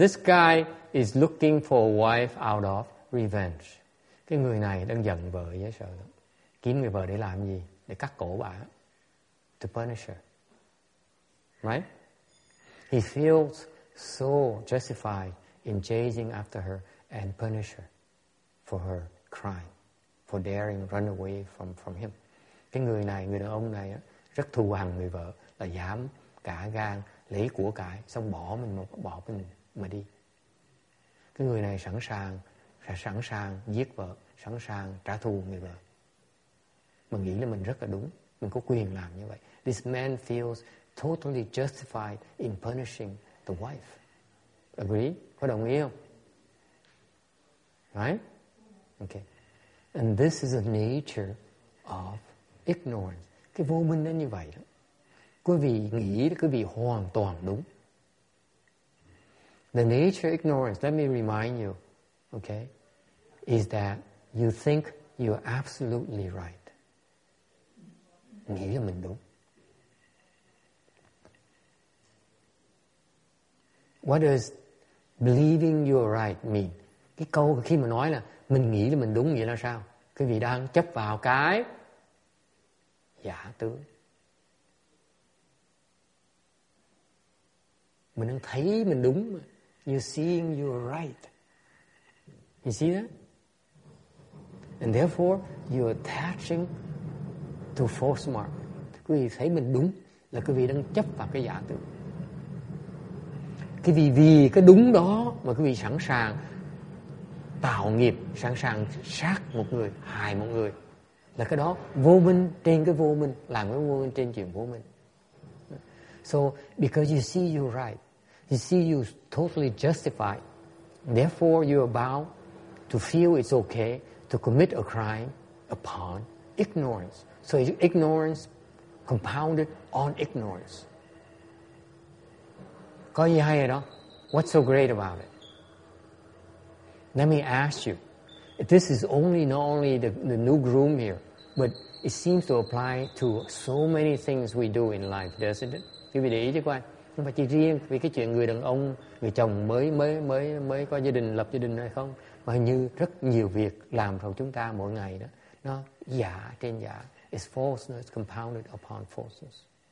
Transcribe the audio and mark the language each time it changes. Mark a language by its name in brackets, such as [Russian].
[English] This guy is looking for a wife out of revenge. [Vietnamese] Cái người này đang giận vợ dễ sợ. Kiếm người vợ để làm gì? Để cắt cổ bà. [English] To punish her. Right? He feels so justified in chasing after her and punish her for her crime, for daring run away from him. [Vietnamese] Cái người này, người đàn ông này rất thù hằn người vợ, là dám cả gan lấy của cải xong bỏ mình mà đi. Cái người này sẵn sàng giết vợ, sẵn sàng trả thù người vợ. Mình nghĩ là mình rất là đúng, mình có quyền làm như vậy. [English] This man feels totally justified in punishing the wife. [Vietnamese] Agree? Có đồng ý không? [English] Right? Okay. And this is the nature of ignorance. [Vietnamese] Cái vô minh nó như vậy đó. Quý vị nghĩ là quý vị hoàn toàn đúng. [English] The nature of ignorance, let me remind you, okay, is that you think you are absolutely right. [Vietnamese] Nghĩ là mình đúng. [English] What does believing you're right mean? [Vietnamese] Cái câu khi mà nói là mình nghĩ là mình đúng nghĩa là sao? Quý vị đang chấp vào cái giả tướng. Mình đang thấy mình đúng mà. [English] You're seeing you're right. You see that? And therefore, you're attaching to false mark. [Vietnamese] Quý vị thấy mình đúng là quý vị đang chấp vào cái giả tướng. Cái vì cái đúng đó mà quý vị sẵn sàng tạo nghiệp, sẵn sàng sát một người, hại một người. Là cái đó vô minh trên cái vô minh, làm cái vô minh trên chuyện vô minh. [English] So, because you see you're right, you see you're totally justified, therefore you're about to feel it's okay to commit a crime upon ignorance. So ignorance compounded on ignorance. [Vietnamese] Có gì hay ở đó? [English] What's so great about it? Let me ask you. This is only not only the new groom here, but it seems to apply to so many things we do in life, doesn't it? [Vietnamese] Quý vị để ý chứ coi. Nhưng mà chỉ riêng vì cái chuyện người đàn ông, người chồng mới có gia đình, lập gia đình hay không, mà như rất nhiều việc làm trong chúng ta mỗi ngày đó, nó giả trên giả, [English] is falseness compounded upon falseness.